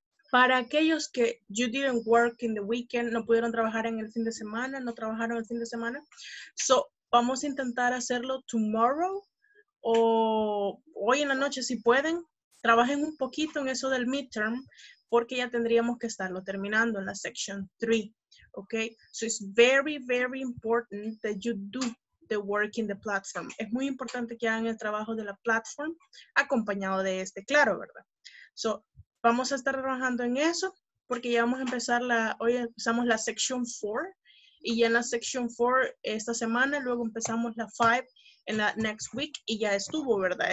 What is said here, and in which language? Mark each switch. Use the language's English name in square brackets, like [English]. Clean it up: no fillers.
[Spanish] Para aquellos que [English] you didn't work in the weekend, [Spanish] no pudieron trabajar en el fin de semana, no trabajaron el fin de semana. So, vamos a intentar hacerlo [English] tomorrow [Spanish] o hoy en la noche si pueden. Trabajen un poquito en eso del midterm porque ya tendríamos que estarlo terminando en la section 3. [English] Okay? So, it's very, very important that you do the work in the platform. [Spanish] Es muy importante que hagan el trabajo de la platform acompañado de este, claro, ¿verdad? So, vamos a estar trabajando en eso porque ya vamos a empezar hoy empezamos la section 4 y ya en la section 4 esta semana, luego empezamos la 5 en la [English] next week [Spanish] y ya estuvo, ¿verdad?